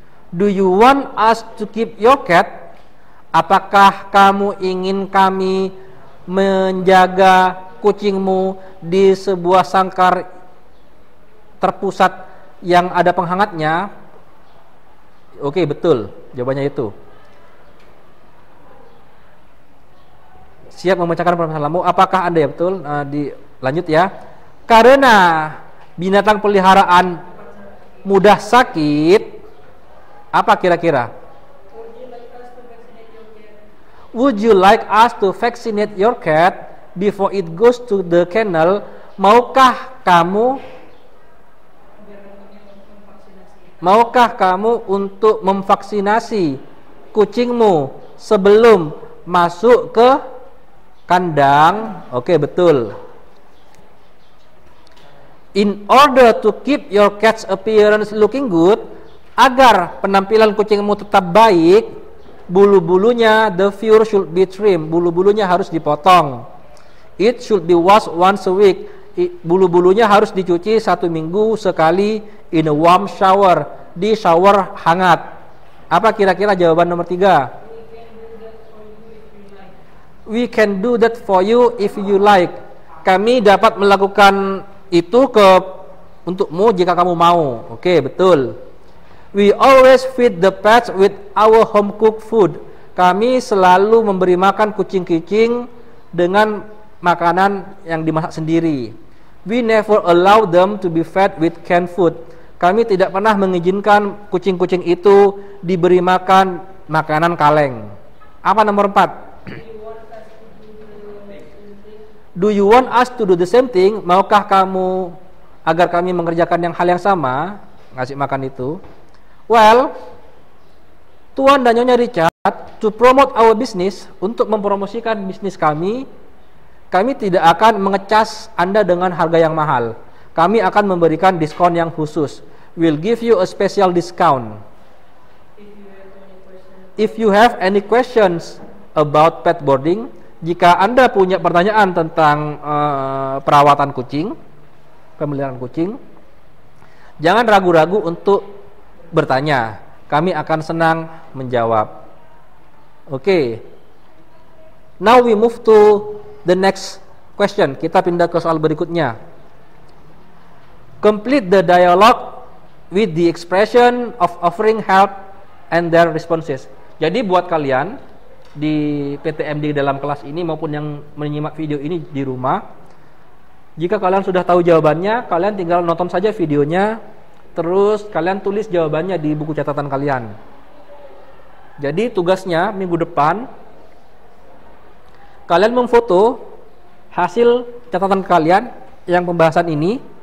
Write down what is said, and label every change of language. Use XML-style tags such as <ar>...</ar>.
<en>Do you want us to keep your cat?</en> <id>Apakah kamu ingin kami menjaga kucingmu di sebuah sangkar terpusat yang ada penghangatnya? Oke, betul. Jawabannya itu. Siap memecahkan permasalahanmu. Apakah Anda ya betul? Dilanjut ya. Karena binatang peliharaan mudah sakit, apa kira-kira?</id> <en>Would you like us to vaccinate your cat before it goes to the kennel?</en> <id>Maukah kamu untuk memvaksinasi kucingmu sebelum masuk ke kandang? Oke, betul.</id> <en>In order to keep your cat's appearance looking good,</en> <id>agar penampilan kucingmu tetap baik, bulu-bulunya,</id> <en>the fur should be trimmed,</en> <id>bulu-bulunya harus dipotong.</id> <en>It should be washed once a week,</en> <id>bulu-bulunya harus dicuci satu minggu sekali</id> <en>in a warm shower,</en> <id>di shower hangat. Apa kira-kira jawaban nomor tiga?</id> <en>We can do that for you if you like.</en> <id>Kami dapat melakukan itu untukmu jika kamu mau. Oke, betul.</id> <en>We always feed the pets with our home cooked food.</en> <id>Kami selalu memberi makan kucing-kucing dengan makanan yang dimasak sendiri.</id> <en>We never allow them to be fed with canned food.</en> <id>Kami tidak pernah mengizinkan kucing-kucing itu diberi makan makanan kaleng. Apa nomor 4?</id> <en>Do you want us to do the same thing?</en> <id>Maukah kamu agar kami mengerjakan yang hal yang sama, ngasih makan itu? Well, Tuan dan Nyonya Richard,</id> <en>to promote our business,</en> <id>untuk mempromosikan bisnis kami, kami tidak akan mengecas Anda dengan harga yang mahal. Kami akan memberikan diskon yang khusus.</id> <en>We'll give you a special discount. If you have any questions about pet boarding,</en> <id>jika Anda punya pertanyaan tentang perawatan kucing, pemeliharaan kucing, jangan ragu-ragu untuk bertanya. Kami akan senang menjawab. Oke.</id> <en>Now we move to the next question.</en> <id>Kita pindah ke soal berikutnya.</id> <en>Complete the dialogue with the expression of offering help and their responses.</en> <id>Jadi buat kalian di PTM di dalam kelas ini maupun yang menyimak video ini di rumah, jika kalian sudah tahu jawabannya, kalian tinggal nonton saja videonya, terus kalian tulis jawabannya di buku catatan kalian. Jadi tugasnya minggu depan kalian memfoto hasil catatan kalian yang pembahasan ini.</id>